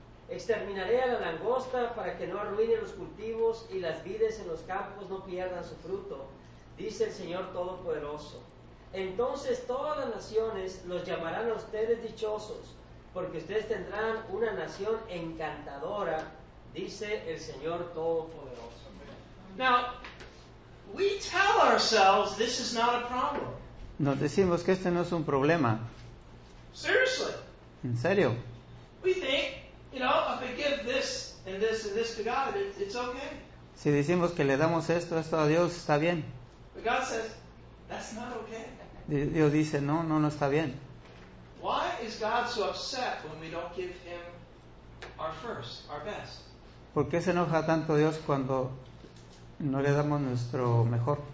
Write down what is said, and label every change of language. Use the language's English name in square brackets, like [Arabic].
[Spanish] Exterminaré a la langosta para que no arruine los cultivos y las vides en los campos no pierdan su fruto, dice el Señor Todopoderoso. Entonces todas las naciones los llamarán a ustedes dichosos, porque ustedes tendrán una nación encantadora, dice el Señor Todopoderoso. [English] Now, we tell ourselves this is not a problem. [Spanish] Nos decimos que este no es un problema. [English] Seriously. [Spanish] ¿En serio? [English] We think, you know, if I give this and this and this to God, it's okay. [Spanish] Si decimos que le damos esto, esto a Dios, está bien. [English] But God says, that's not okay. [Spanish] Dios dice, no, no, no está bien. [English] Why is God so upset when we don't give him our first, our best? [Spanish] ¿Por qué se enoja tanto Dios cuando no le damos nuestro mejor?